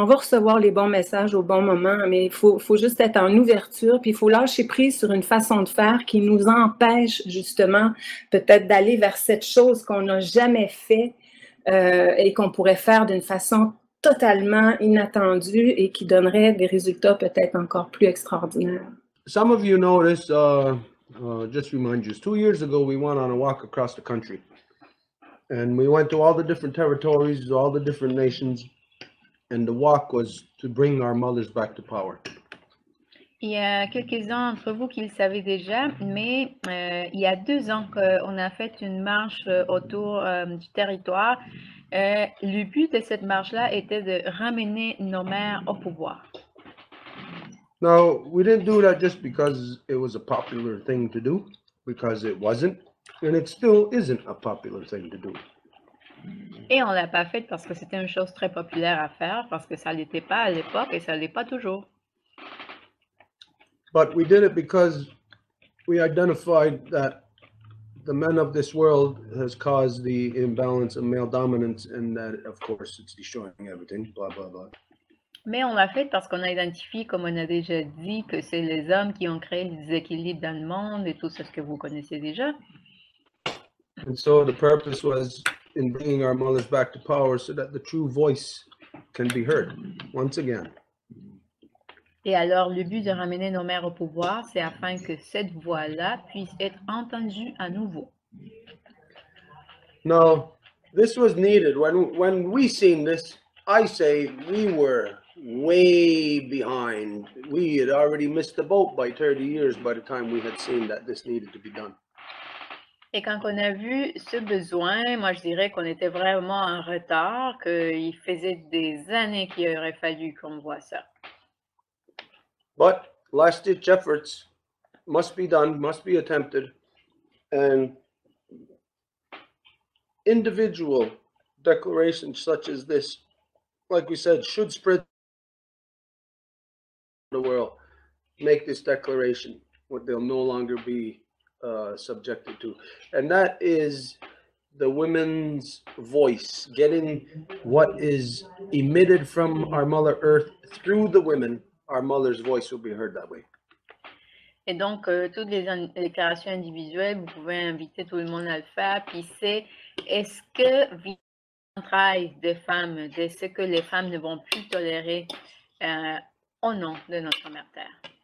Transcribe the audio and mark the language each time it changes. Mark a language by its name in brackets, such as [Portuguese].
[French] On va recevoir les bons messages au bon moment, mais il faut juste être en ouverture, puis il faut lâcher prise sur une façon de faire qui nous empêche justement peut-être d'aller vers cette chose qu'on n'a jamais fait et qu'on pourrait faire d'une façon totalement inattendue et qui donnerait des résultats peut-être encore plus extraordinaires. [English] Some of you know this, just remind you, 2 years ago we went on a walk across the country. And we went to all the different territories, all the different nations, and the walk was to bring our mothers back to power. [French] Il y a quelques-uns d'entre vous qui le savaient déjà, mais il y a 2 ans qu'on a fait une marche autour du territoire. Le but de cette marche-là était de ramener nos mères au pouvoir. [English] Now, we didn't do that just because it was a popular thing to do, because it wasn't. And it still isn't a popular thing to do. [French] Et on l'a pas fait parce que c'était une chose très populaire à faire, parce que ça l'était pas à l'époque et ça l'est pas toujours. [English] But we did it because we identified that the men of this world has caused the imbalance of male dominance, and that of course it's destroying everything, blah blah blah. [French] Mais on l'a fait parce qu'on a identifié, comme on a déjà dit, que c'est les hommes qui ont créé le déséquilibre dans le monde et tout ce que vous connaissez déjà. [English] And so the purpose was in bringing our mothers back to power so that the true voice can be heard once again. [French] Et alors le but de ramener nos mères au pouvoir, c'est afin que cette voix-là puisse être entendue à nouveau. [English] Now, this was needed. When we seen this, I say we were way behind. We had already missed the boat by 30 years by the time we had seen that this needed to be done. [French] Et quand on a vu ce besoin, moi je dirais qu'on était vraiment en retard, qu'il faisait des années qu'il aurait fallu qu'on voit ça. [English] But last-ditch efforts must be done, must be attempted, and individual declarations such as this, like we said, should spread the world, make this declaration, what they'll no longer be subjected to, and that is the women's voice, getting what is emitted from our mother earth through the women, our mother's voice will be heard that way. [French] Et donc toutes les déclarations individuelles, vous pouvez inviter tout le monde à le faire, puis c'est est-ce que l'entrée des femmes, de ce que les femmes ne vont plus tolérer au nom de notre mère terre.